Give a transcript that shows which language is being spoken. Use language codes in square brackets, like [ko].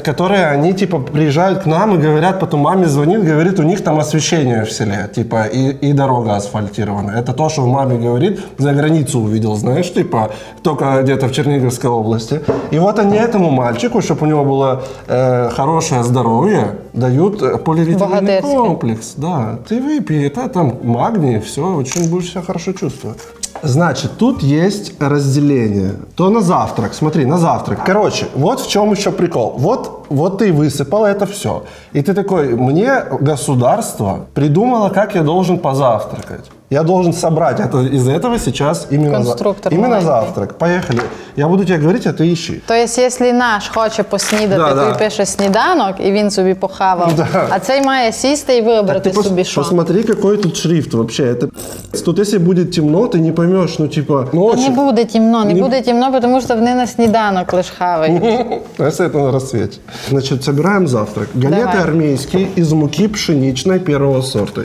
[uk] Которые вони, типа, приїжджають к нам і говорять, потім мамі дзвонить, говорить, у них там освещение в селі, типа, і дорога асфальтирована. Це те, що в мамі говорить, [ru] за границу увидел, [uk] знаєш, типа, тільки где-то в Черниговской області. І от вони этому мальчику, щоб у нього було хороше здоров'я, дають полівітамінний комплекс. [ru] Комплекс, да. Ты выпей, это там магний, все, очень будешь себя хорошо чувствовать. Значит, тут есть разделение. То на завтрак, смотри, на завтрак. Короче, вот в чем еще прикол. Вот ты высыпал это все. И ты такой, мне государство придумало, как я должен позавтракать. Я должен собрать это из этого сейчас именно, конструктор за, именно завтрак. Поехали. Я буду тебе говорить, а ты ищи. То есть, если наш хочет поснідати, то и пишет сніданок, и [uk] він собі похавал. [ru] Да. [uk] А цей має сісти и выбрать собі що. [ru] Посмотри, какой тут шрифт вообще. Это тут, если будет темно, ты не поймешь, ну типа ночью. Не будет темно, не будет темно, потому что [uk] вони на сніданок [ru] лишь хавают. А если это на рассвете? Значит, собираем завтрак. Галеты Давай. Армейские из муки пшеничной первого сорта.